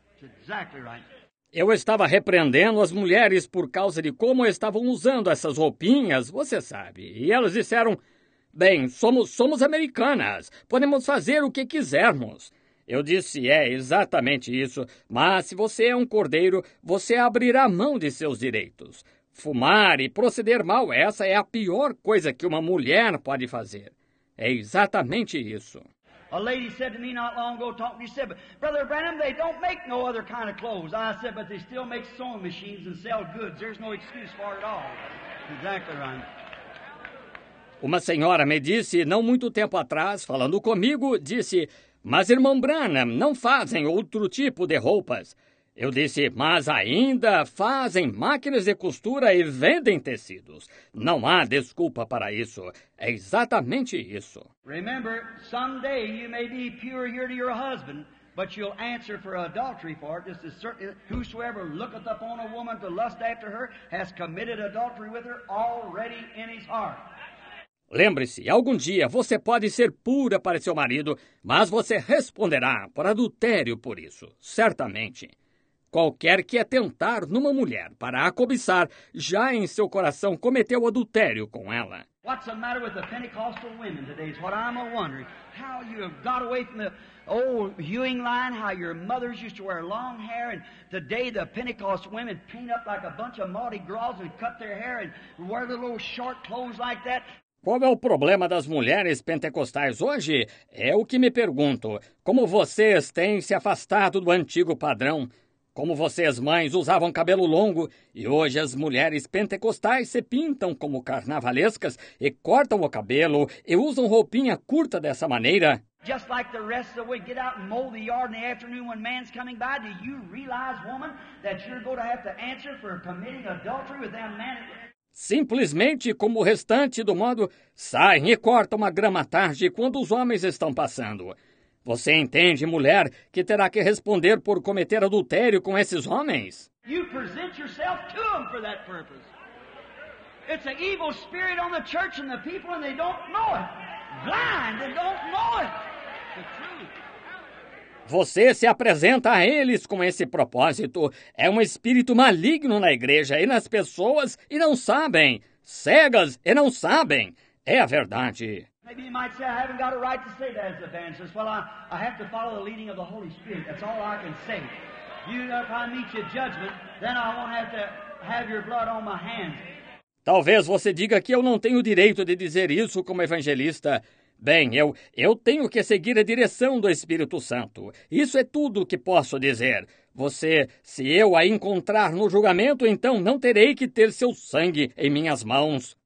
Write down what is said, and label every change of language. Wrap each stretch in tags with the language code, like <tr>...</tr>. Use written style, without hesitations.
<en>It's exactly right.</en> <pt>Eu estava repreendendo as mulheres por causa de como estavam usando essas roupinhas, você sabe. E elas disseram, bem, somos americanas, podemos fazer o que quisermos. Eu disse, é exatamente isso, mas se você é um cordeiro, você abrirá mão de seus direitos. Fumar e proceder mal, essa é a pior coisa que uma mulher pode fazer. É exatamente isso.</pt> <en>A lady said to me not long ago, talking to me, said, but Brother Branham, they don't make no other kind of clothes. I said, but they still make sewing machines and sell goods. There's no excuse for it all. Exactly right.</en> <pt>Uma senhora me disse, não muito tempo atrás, falando comigo, disse, mas irmão Branham, não fazem outro tipo de roupas. Eu disse, mas ainda fazem máquinas de costura e vendem tecidos. Não há desculpa para isso. É exatamente isso.</pt> <en>Remember, someday you may be pure here to your husband, but you'll answer for adultery for it. This is certain, whosoever looketh upon a woman to lust after her has committed adultery with her already in his heart.</en> <pt>Lembre-se, algum dia você pode ser pura para seu marido, mas você responderá por adultério por isso, certamente. Qualquer que atentar numa mulher para a cobiçar, já em seu coração cometeu adultério com ela.</pt> <en>What's the matter with the Pentecostal women today is what I'm wondering. How you have got away from the old hewing line, how your mothers used to wear long hair, and today the Pentecost women paint up like a bunch of Mardi Gras and cut their hair and wear little short clothes like that.</en> <pt>Qual é o problema das mulheres pentecostais hoje? É o que me pergunto. Como vocês têm se afastado do antigo padrão? Como vocês, mães, usavam cabelo longo e hoje as mulheres pentecostais se pintam como carnavalescas e cortam o cabelo e usam roupinha curta dessa maneira?</pt> <en>Just like the rest of the week, get out and mow the yard in the afternoon when man's coming by. Do you realize, woman, that you're going to have to answer for committing adultery with that man?</en> <pt>Simplesmente como o restante do modo, saem e cortam a grama à tarde quando os homens estão passando. Você entende, mulher, que terá que responder por cometer adultério com esses homens?</pt> <en>You present yourself to them for that purpose. It's an evil spirit on the church and the people and they don't know it. Blind, they don't know it. The truth.</en> <pt>Você se apresenta a eles com esse propósito. É um espírito maligno na igreja e nas pessoas e não sabem. Cegas e não sabem. É a verdade.</pt> <en>Maybe you might say, I haven't got a right to say that as an evangelist. Well, I have to follow the leading of the Holy Spirit. That's all I can say. You know, if I meet your judgment, then I won't have to have your blood on my hands.</en> <pt>Talvez você diga que eu não tenho o direito de dizer isso como evangelista. Bem, eu tenho que seguir a direção do Espírito Santo. Isso é tudo o que posso dizer. Você, se eu a encontrar no julgamento, então não terei que ter seu sangue em minhas mãos.</pt>